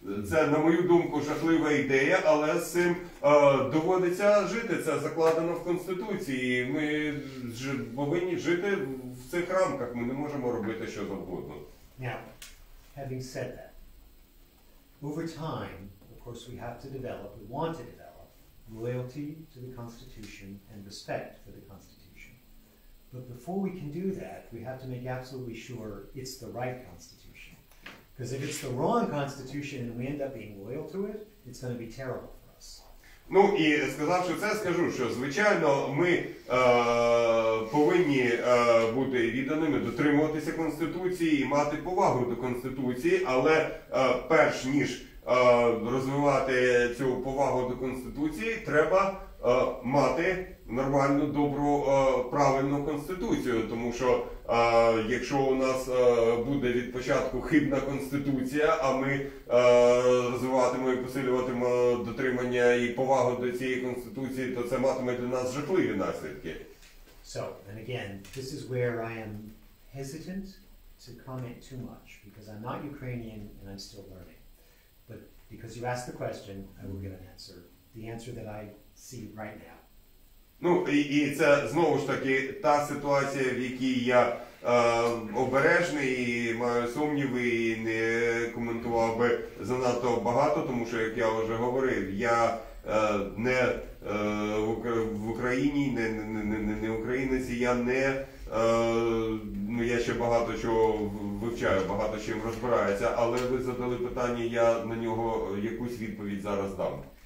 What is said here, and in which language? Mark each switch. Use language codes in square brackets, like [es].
[uk] Це, на мою думку, жахлива ідея, але з цим доводиться жити. Це закладено в Конституції. Ми повинні жити в цих рамках. Ми не можемо робити що завгодно. [en] Now, having said that, over time, of course, we have to develop, we want to develop, loyalty to the Constitution and respect for the Constitution. But before we can do that, we have to make absolutely sure it's the right Constitution. Because if it's the wrong constitution and we end up being loyal to it, it's going to be terrible for us. [uk] Ну, і сказавши це, скажу, що звичайно, ми повинні бути відданими, дотримуватися конституції і мати повагу до конституції, але перш ніж розвивати цю повагу до конституції, треба мати нормальну, добру, правильну конституцію. Тому що якщо у нас буде від початку хибна конституція, а ми розвиватимемо і посилюватимемо дотримання і повагу до цієї конституції, то це матиме для нас жахливі наслідки. [en] So, and again, this is where I am hesitant to comment too much, because I'm not Ukrainian and I'm still learning. But because you asked the question, I will give an answer. The answer that I see right now. [uk] Ну, і це, знову ж таки, та ситуація, в якій я обережний і маю сумніви, і не коментував би занадто багато, тому що, як я вже говорив, я не в Україні, не українець, я не, ну, я ще багато чого вивчаю, багато чим розбираюся, але ви задали питання, я на нього якусь відповідь зараз дам.